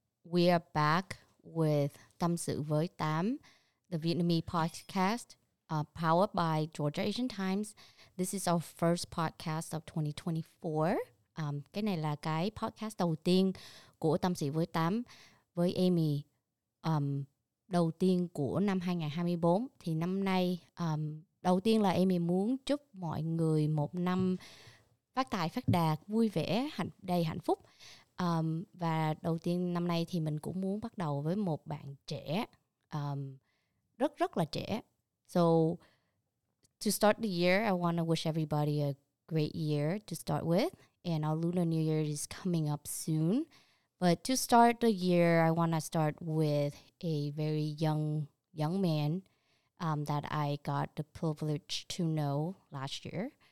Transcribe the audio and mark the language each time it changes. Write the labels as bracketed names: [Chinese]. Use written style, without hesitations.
[English] We are back with Tam Su Voi Tam, the Vietnamese podcast powered by Georgia Asian Times. This is our first podcast of 2024. [Vietnamese] Cái này là cái podcast đầu tiên của Tam Su Voi Tam với Amy. Đầu tiên của năm 2024 thì năm nay đầu tiên là Amy muốn chúc mọi người một năm phát tài phát đạt, vui vẻ, đầy hạnh phúc. Và đầu tiên năm nay thì mình cũng muốn bắt đầu với một bạn trẻ, rất là trẻ. [English] So to start the year, I want to wish everybody a great year to start with, and our Lunar New Year is coming up soon. But to start the year, I want to start with a very young man that I got the privilege to know last year.